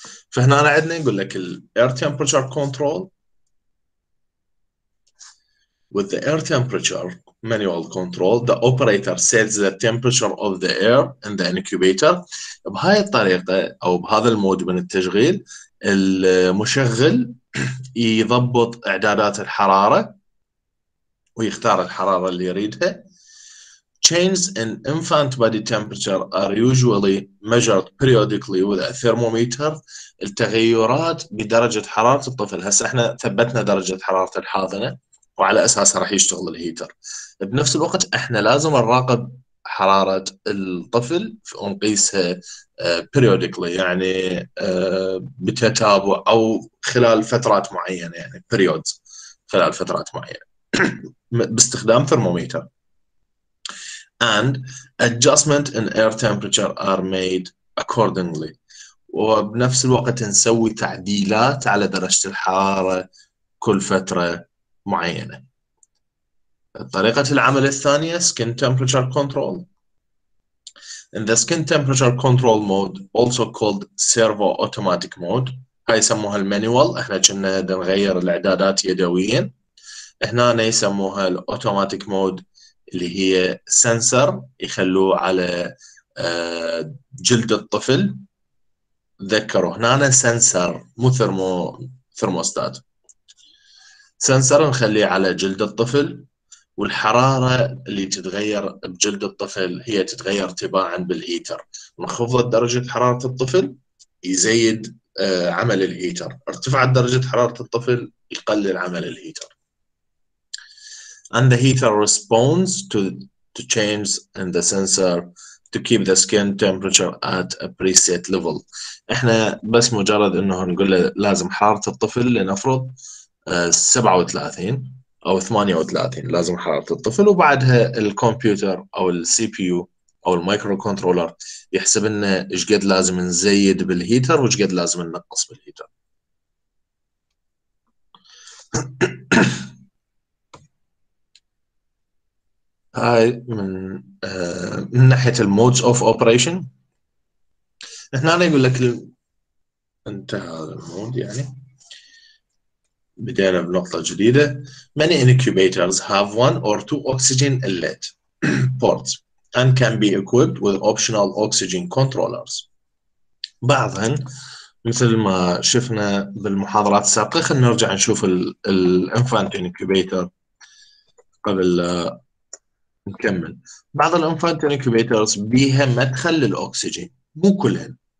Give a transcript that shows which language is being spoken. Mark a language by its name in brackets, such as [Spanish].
[Arabic] فهنا أنا عندنا يقول لك الـ [English] Air Temperature Control with the Air Temperature Manual Control the operator sets the temperature of the air in the incubator. [Arabic] بهاي الطريقة أو بهذا المود من التشغيل المشغل يضبط إعدادات الحرارة ويختار الحرارة اللي يريدها. [English] Changes in infant body temperature are usually measured periodically with a thermometer. [Arabic] التغيرات بدرجة حرارة الطفل، هسه احنا ثبتنا درجة حرارة الحاضنة وعلى أساسها راح يشتغل الهيتر. بنفس الوقت احنا لازم نراقب حرارة الطفل ونقيسها periodically، يعني بتتابع أو خلال فترات معينة، يعني periods خلال فترات معينة باستخدام ثرموميتر. [English] And adjustment in air temperature are made accordingly. [Arabic] وبنفس الوقت نسوي تعديلات على درجة الحرارة كل فترة معينة. طريقة العمل الثانية skin temperature control. [English] In the skin temperature control mode, also called servo automatic mode, [Arabic] هاي يسموها المانيوال، احنا كنا نغير الاعدادات يدويا. هنا يسموها الاوتوماتيك مود اللي هي سنسر يخلوه على جلد الطفل. ذكروا هنا أنا سنسر مو ثرموستات، سنسر نخليه على جلد الطفل، والحرارة اللي تتغير بجلد الطفل هي تتغير تباعا بالهيتر. منخفضة درجة حرارة الطفل يزيد عمل الهيتر، ارتفعت درجة حرارة الطفل يقلل عمل الهيتر. [English] And the heater responds to change in the sensor to keep the skin temperature at a preset level. [Arabic] احنا بس مجرد انه نقول لازم حرارة الطفل لنفرض 37 او 38 لازم حرارة الطفل، وبعدها الكمبيوتر او السي بي يو او المايكرو كنترولر يحسب لنا ايش قد لازم نزيد بالهيتر وايش قد لازم ننقص بالهيتر. هاي من ناحية الـ modes of operation. هنا أنا يقول لك انتهى هذا المود، يعني بدينا بنقطة جديدة. [English] Many incubators have one or two oxygen inlet ports and can be equipped with optional oxygen controllers. [Arabic] بعضهن مثل ما شفنا بالمحاضرات السابقة، خلينا نرجع نشوف الـ infant incubator قبل نكمل. بعض الـ infant incubators بيها مدخل للأكسجين، مو كلهن.